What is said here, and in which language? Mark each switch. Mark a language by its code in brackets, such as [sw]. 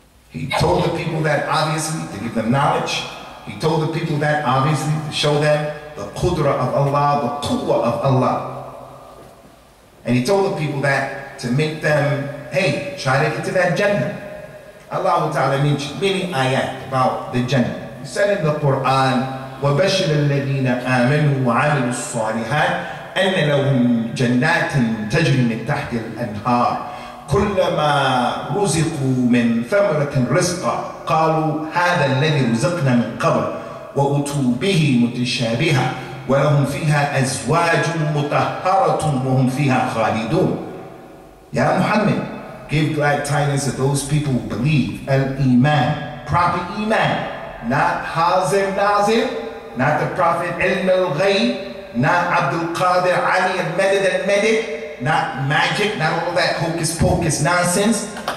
[en] He told the people that, obviously, to give them knowledge. He told the people that, obviously, to show them the Qudra of Allah, the Quwwah of Allah. And he told the people that to make them, hey, try to get to that Jannah. Allah Ta'ala means many ayat about the Jannah. He said in the Quran, [ar] وَبَشِّرَ الَّذِينَ آمَنُوا وَعَمِلُوا الصَّالِحَاتِ أَنَّ لَهُمْ جَنَّاتٍ تَجْرِي مِنْ تَحْتِ الْأَنْهَارِ كُلَّمَا رُزِقُوا مِنْ ثَمَرَةٍ رِزْقًا قَالُوا هَذَا الَّذِي رُزِقْنَا مِنْ قَبْلِ وَأُتُوا بِهِ مُتَشَابِهًا وَلَهُمْ فِيهَا أَزْوَاجٌ مُطَهَّرَةٌ وَهُمْ فِيهَا خَالِدُونَ. [en] Ya Muhammad, give glad tidings to those people who believe. Al-Iman, proper Iman. Not Hazim Nazim, not the Prophet Ilm al-Ghayb, not Abdul Qadir Ali al-Madid al-Madid, not magic, not all that hocus pocus nonsense.